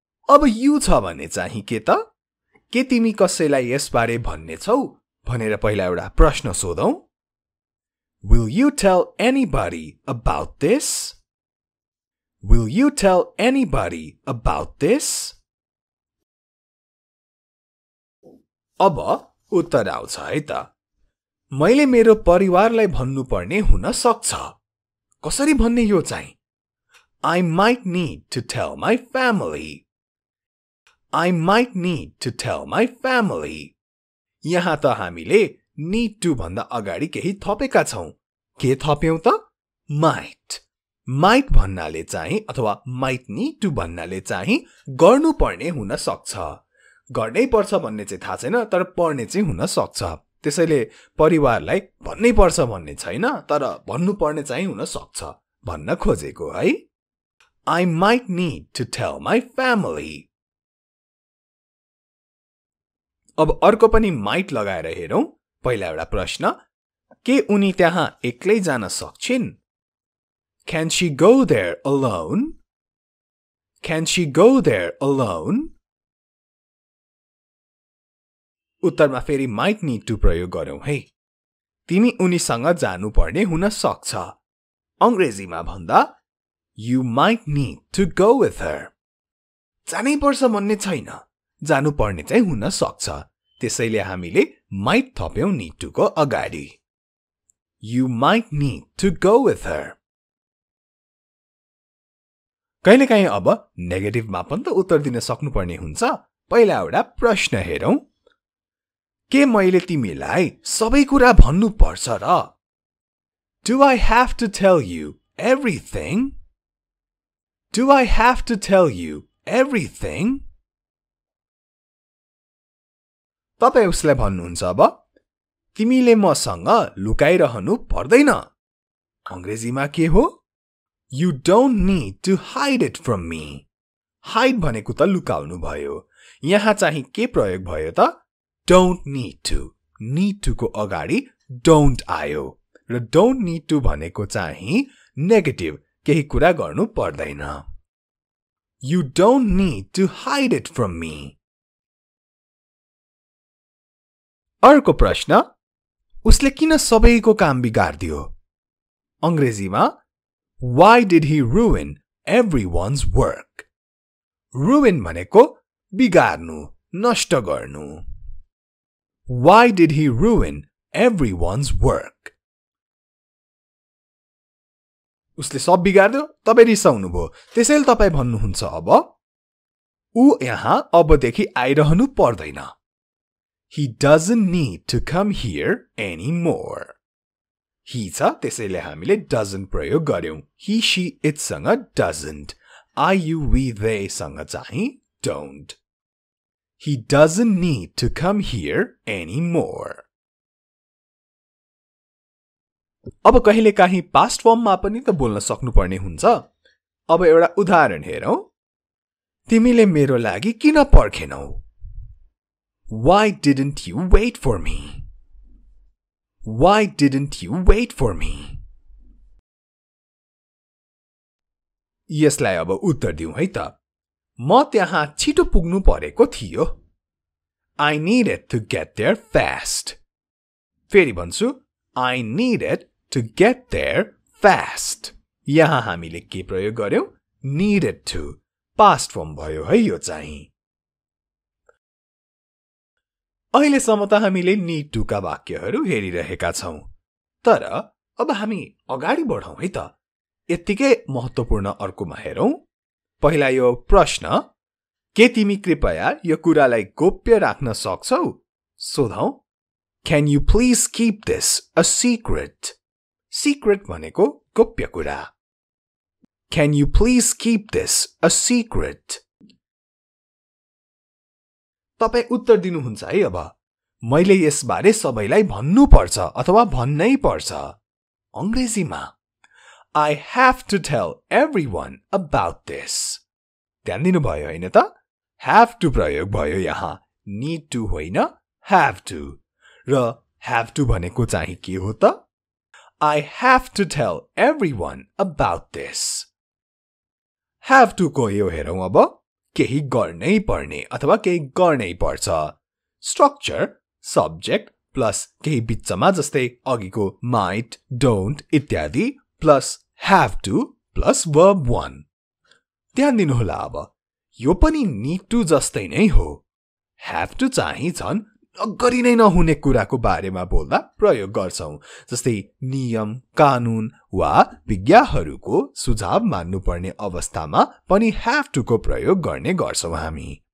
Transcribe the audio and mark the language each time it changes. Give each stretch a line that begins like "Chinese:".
Nepali: अब you छ भने चाहिँ के त? K के तिमी कसैलाई यसबारे भन्नेछौ भनेर पहिला एउटा प्रश्न सोधौ.
English: Will you tell anybody about this? Will you tell anybody about this?
Nepali: अब उत्तर आउँछ है त. मैले मेरो परिवारलाई भन्नुपर्ने हुन सक्छ. कसरी भन्ने यो चाहिँ?
English: I might need to tell my family. I might need to tell my family.
Nepali: यहाँ त हामीले
English: need to
Nepali: भन्दा अगाडि केही थपेका छौँ. के थप्यौँ त?
English: Might.
Nepali: Might भन्नाले चाहिँ अथवा
English: might need to
Nepali: भन्नाले चाहिँ गर्नुपर्ने हुन सक्छ. गर्नै पर्छ भन्ने चाहिँ थाहा छैन तर पर्ने चाहिँ हुन सक्छ. त्यसैले परिवारलाई भन्नै पर्छ भन्ने छैन तर भन्नुपर्ने चाहिँ हुन सक्छ भन्न खोजेको है.
English: I might need to tell my family.
Nepali: अब अर्को पनि माइट लगाएर हेरौँ. पहिला एउटा प्रश्न, के उनी त्यहाँ एक्लै जान सक्छिन्?
English: Can she go there alone? Can she go there alone?
Nepali: उत्तरमा फेरि माइट निड टु प्रयोग गर्यौँ है. तिमी उनीसँग जानुपर्ने हुन सक्छ. अङ्ग्रेजीमा भन्दा
English: You might need to go with her.
Nepali: जानै पर्छ भन्ने छैन, जानुपर्ने चाहिँ हुन सक्छ. त्यसैले हामीले माइट थप्यौँ निड टुको अगाडि.
English: You might need to go with her.
Nepali: कहिलेकाहीँ अब नेगेटिभमा पनि त उत्तर दिन सक्नुपर्ने हुन्छ. पहिला एउटा प्रश्न हेरौँ. के मैले तिमीलाई सबै कुरा भन्नु पर्छ र?
English: Do I have to tell you everything? Do I have to tell you everything?
Nepali: तपाईँ उसलाई भन्नुहुन्छ अब तिमीले मसँग लुकाइरहनु पर्दैन. अङ्ग्रेजीमा के हो?
English: You don't need to hide it from me.
Nepali: Hide भनेको त लुकाउनु भयो. यहाँ चाहिँ के प्रयोग भयो त?
English: Don't need to.
Nepali: Need to को अगाडि don't आयो र
English: don't need to
Nepali: भनेको चाहिँ नेगेटिभ, केही कुरा गर्नु पर्दैन.
English: You don't need to hide it from me.
Nepali: अर्को प्रश्न, उसले किन सबैको काम बिगारदियो? अङ्ग्रेजीमा
English: Why did he ruin everyone's work?
Nepali: Ruin भनेको बिगार्नु, नष्ट गर्नु.
English: Why did he ruin everyone's work?
Nepali: उसले सब बिगार्दियो, तपाईँ रिसाउनु भयो, त्यसैले तपाईँ भन्नुहुन्छ अब ऊ यहाँ अबदेखि आइरहनु पर्दैन.
English: He doesn't need to come here anymore.
Nepali: He छ, त्यसैले हामीले doesn't प्रयोग गर्यौँ.
English: He, she, it'सँग doesn't. I, you, we, they'सँग चाहिँ don't. He doesn't need to come here anymore.
Nepali: अब कहिले काहीँ पास्ट फर्ममा पनि त बोल्न सक्नुपर्ने हुन्छ. अब एउटा उदाहरण हेरौँ. तिमीले मेरो लागि किन पर्खेनौ?
English: Why didn't you wait for me? Why didn't you wait for me?
Nepali: यसलाई अब उत्तर दिउँ है त. म त्यहाँ छिटो पुग्नु परेको थियो.
English: I needed to get there fast.
Nepali: फेरि भन्छु,
English: I needed to get there fast.
Nepali: यहाँ हामीले के प्रयोग गर्यौँ?
English: Needed to.
Nepali: पास्ट फर्म भयो है यो चाहिँ. अहिलेसम्म त हामीले
English: need to-
Nepali: का वाक्यहरू हेरिरहेका छौँ. तर अब हामी अगाडि बढौँ है त. यत्तिकै महत्त्वपूर्ण अर्कोमा हेरौँ. पहिला यो प्रश्न, के तिमी कृपया यो कुरालाई गोप्य राख्न सक्छौ? सोधौँ.
English: Can you please keep this a secret?
Nepali: Secret भनेको गोप्य कुरा.
English: Can you please keep this a secret?
Nepali: तपाईँ उत्तर दिनुहुन्छ है अब. मैले यसबारे सबैलाई भन्नु पर्छ अथवा भन्नै पर्छ. अङ्ग्रेजीमा
English: I have to tell everyone about this.
Nepali: ध्यान दिनुभयो होइन त?
English: Have to
Nepali: प्रयोग भयो यहाँ.
English: Need to
Nepali: होइन,
English: have to.
Nepali: र
English: have to
Nepali: भनेको चाहिँ के हो त?
English: I have to tell everyone about this.
Nepali: Have to को यो हेरौँ अब. केही गर्नै पर्ने अथवा केही गर्नै पर्छ. स्ट्रक्चर सब्जेक्ट प्लस केही बिचमा जस्तै अघिको माइट डोन्ट इत्यादि plus have to plus verb वन ध्यान दिनुहोला अब यो पनि निड टु जस्तै नै हो ह्याभ टु चाहिँ झन् नगरी नै नहुने कुराको बारेमा बोल्दा प्रयोग गर्छौँ जस्तै नियम कानुन वा विज्ञहरूको सुझाव मान्नुपर्ने अवस्थामा पनि ह्याभ टुको प्रयोग गर्ने गर्छौँ हामी